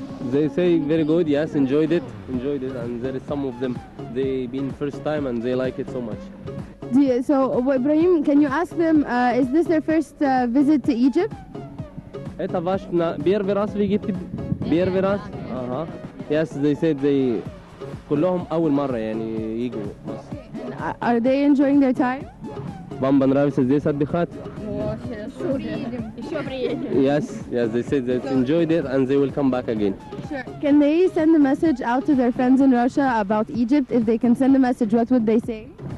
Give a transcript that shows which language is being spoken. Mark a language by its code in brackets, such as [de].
[en] They say very good, yes, enjoyed it, and there is some of them, they been first time and they like it so much. So Ibrahim, can you ask them, is this their first visit to Egypt? [ru] Это ваш первый раз в Египте? Первый раз? Ага. [en] Yes, they said they [ar] كلهم اول مره يعني يجوا. [en] Are they enjoying their time? [ru] Вам понравится здесь отдыхать? Еще приедем. Еще приедем. [en] Yes, they said they enjoyed it and they will come back again. Sure. Can they send a message out to their friends in Russia about Egypt? If they can send a message, what would they say?